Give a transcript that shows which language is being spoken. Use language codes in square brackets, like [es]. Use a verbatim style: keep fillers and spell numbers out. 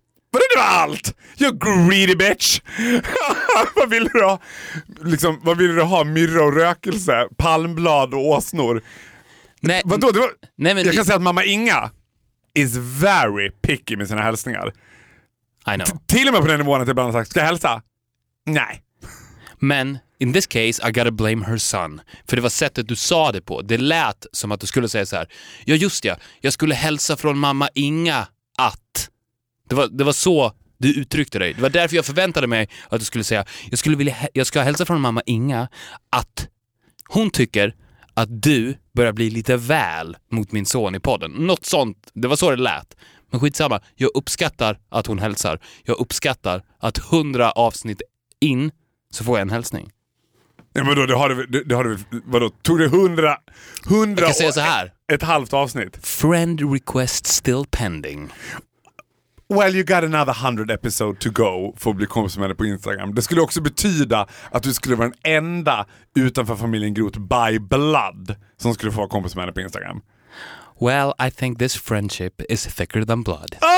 [sv] Vadå det var allt? [en] You greedy bitch. [sv] Vad vill du ha? Liksom, vad vill du ha? Myrra och rökelse, palmblad och åsnor. Nej, vadå? Det var... nej, men jag kan det... säga att mamma Inga [en] is very picky [sv] med sina hälsningar. [en] I know. [sv] T- till och med på den nivån att jag ibland har sagt, ska jag hälsa? Nej. Men [en] in this case I gotta blame her son. [sv] För det var sättet du sa det på. Det lät som att du skulle säga så här. Ja just ja, jag skulle hälsa från mamma Inga att. Det var, det var så du uttryckte dig. Det var därför jag förväntade mig att du skulle säga jag, skulle vilja, jag ska hälsa från mamma Inga att hon tycker att du börjar bli lite väl mot min son i podden. Något sånt, det var så det lät. Men skitsamma, jag uppskattar att hon hälsar. Jag uppskattar att hundra avsnitt in så får jag en hälsning. Ja, men då, det har du, det, det har du, vadå, tog det hundra, hundra jag säga så här. Ett, ett halvt avsnitt. [en] Friend request still pending. Well, you got another hundred episode to go [sv] för att bli kompis med dig på Instagram. Det skulle också betyda att du skulle vara den enda utanför familjen Groth [en] by blood [sv] som skulle få vara kompis med dig på Instagram. [en] Well, I think this friendship is thicker than blood.